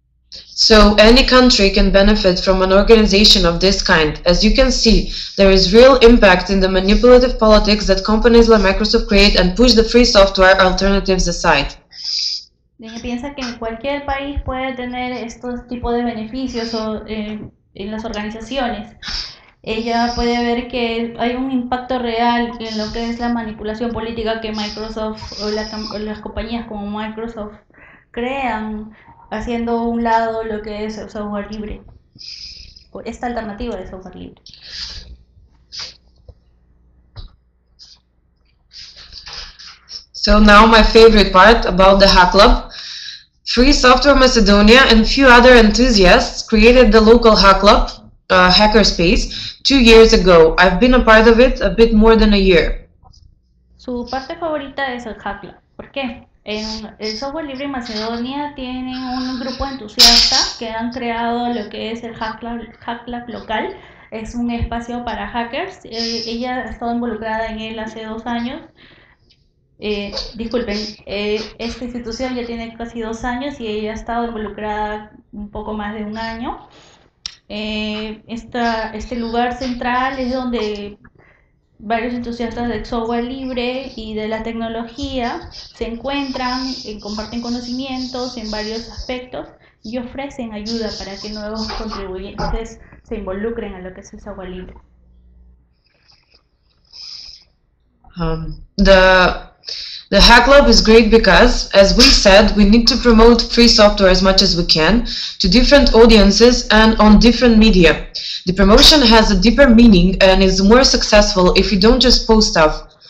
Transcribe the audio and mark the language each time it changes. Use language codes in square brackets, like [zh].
[en] So any country can benefit from an organization of this kind. As you can see, there is real impact in the manipulative politics that companies like Microsoft create and push the free software alternatives aside. [es] ¿Quién piensa que en cualquier país puede tener estos tipos de beneficios o en las organizaciones? Ella puede ver que hay un impacto real en lo que es la manipulación política que Microsoft o las compañías como Microsoft crean, haciendo a un lado lo que es el software libre, o esta alternativa de software libre. [en] So now my favorite part about the Hack Club. Free Software Macedonia and few other enthusiasts created the local Hack Club. Hackerspace 2 years ago. I've been a part of it a bit more than a year. [es] Su parte favorita es el Hack Club. ¿Por qué? En el software libre en Macedonia tienen un grupo de entusiastas que han creado lo que es el Hack Club local. Es un espacio para hackers. Ella ha estado involucrada en él hace 2 años. Esta institución ya tiene casi 2 años y ella ha estado involucrada un poco más de 1 año. Este lugar central es donde varios entusiastas del software libre y de la tecnología se encuentran, comparten conocimientos en varios aspectos y ofrecen ayuda para que nuevos contribuyentes se involucren a lo que es el software libre. [en] The Hack Club is great because, as we said, we need to promote free software as much as we can to different audiences and on different media. The promotion has a deeper meaning and is more successful if you don't just post stuff.